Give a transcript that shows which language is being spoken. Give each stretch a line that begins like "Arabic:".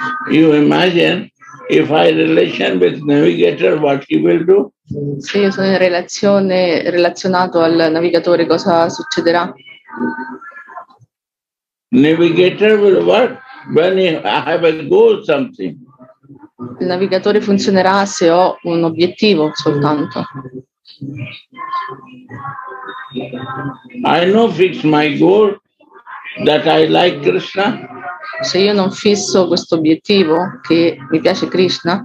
English: You imagine if I relation with navigator, what he will do?
Italian: Se io sono in relazione, relazionato al navigatore, cosa succederà?
English: Navigator will work when I have a goal, something.
Italian: Il navigatore funzionerà se ho un obiettivo soltanto.
English: I know fix my goal that I like Krishna.
Italian: Se io non fisso questo obiettivo che mi piace Krishna,